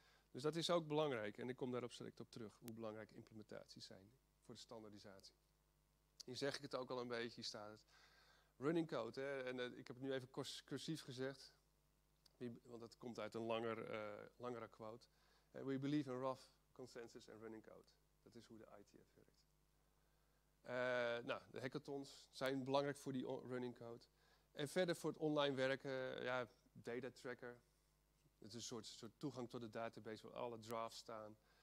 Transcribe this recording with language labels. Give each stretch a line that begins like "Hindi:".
Dutch: Dus dat is ook belangrijk en ik kom daarop direct op terug, hoe belangrijk implementaties zijn voor de standaardisatie. Hier zeg ik het ook al een beetje, hier staat het. Running code, ik heb het nu even cursief gezegd. Want dat komt uit een langere quote.
English: We believe in rough consensus and running code.
Dutch: Dat is hoe de ITF werkt. De hackathons zijn belangrijk voor die running code. En verder voor het online werken, data tracker. Het is een soort toegang tot de database waar alle drafts staan.